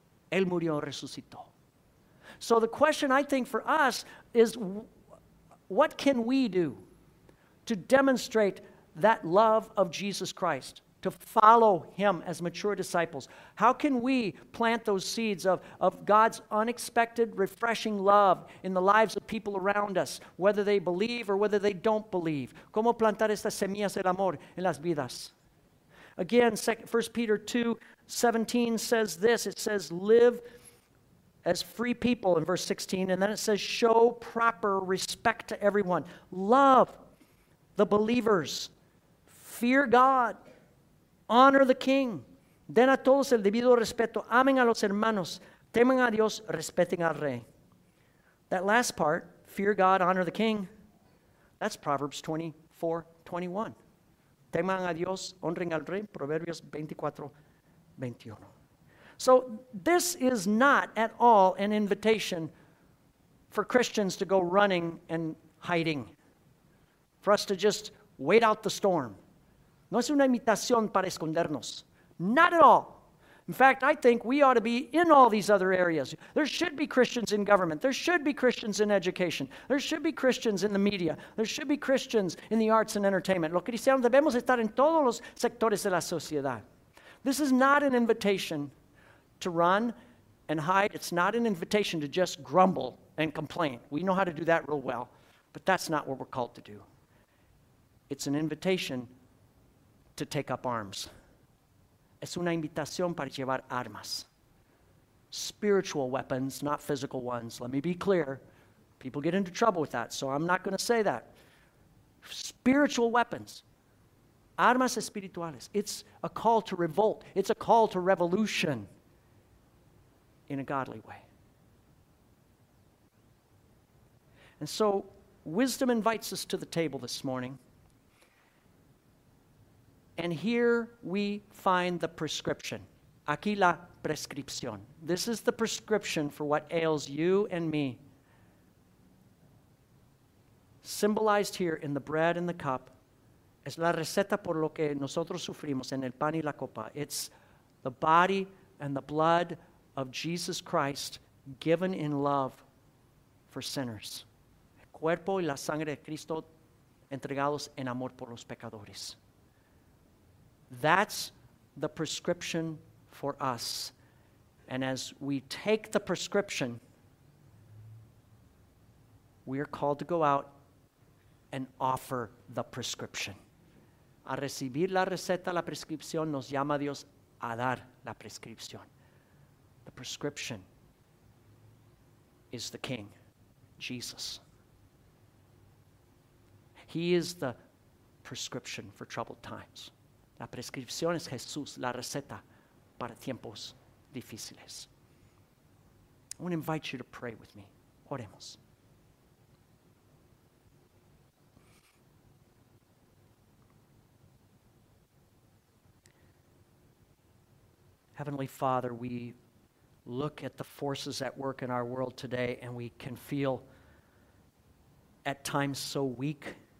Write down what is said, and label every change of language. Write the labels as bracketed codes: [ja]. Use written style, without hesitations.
[es] Él murió, resucitó. [en] So the question I think for us is, what can we do to demonstrate that love of Jesus Christ, to follow Him as mature disciples? How can we plant those seeds of God's unexpected, refreshing love in the lives of people around us, whether they believe or whether they don't believe? [es] ¿Cómo plantar estas semillas del amor en las vidas? [en] Again, 1 Peter 2:17 says this. It says, live as free people in verse 16. And then it says, show proper respect to everyone. Love the believers. Fear God, honor the King. [es] Den a todos el debido respeto. Amen a los hermanos. Temen a Dios, respeten al Rey. [en] That last part, fear God, honor the King, that's Proverbs 24:21. [es] Temen a Dios, honren al Rey, Proverbios 24:21. [en] So this is not at all an invitation for Christians to go running and hiding, for us to just wait out the storm. [es] No es una invitación para escondernos. [en] Not at all. In fact, I think we ought to be in all these other areas. There should be Christians in government. There should be Christians in education. There should be Christians in the media. There should be Christians in the arts and entertainment. [es] Los cristianos debemos estar en todos los sectores de la sociedad. [en] This is not an invitation to run and hide. It's not an invitation to just grumble and complain. We know how to do that real well, but that's not what we're called to do. It's an invitation to take up arms. [es] Es una invitación para llevar armas. [en] Spiritual weapons, not physical ones. Let me be clear. People get into trouble with that, so I'm not going to say that. Spiritual weapons. [es] Armas espirituales. [en] It's a call to revolt. It's a call to revolution in a godly way. And so, wisdom invites us to the table this morning. And here we find the prescription. [es] Aquí la prescripción. [en] This is the prescription for what ails you and me. Symbolized here in the bread and the cup. [es] Es la receta por lo que nosotros sufrimos en el pan y la copa. [en] It's the body and the blood of Jesus Christ given in love for sinners. [es] El cuerpo y la sangre de Cristo entregados en amor por los pecadores. [en] That's the prescription for us. And as we take the prescription, we are called to go out and offer the prescription. [es] A recibir la receta, la prescripción, nos llama Dios a dar la prescripción. [en] The prescription is the King, Jesus. He is the prescription for troubled times. [es] La prescripción es Jesús, la receta para tiempos difíciles. [en] I want to invite you to pray with me. [es] Oremos. [en] Heavenly Father, we look at the forces at work in our world today and we can feel at times so weak.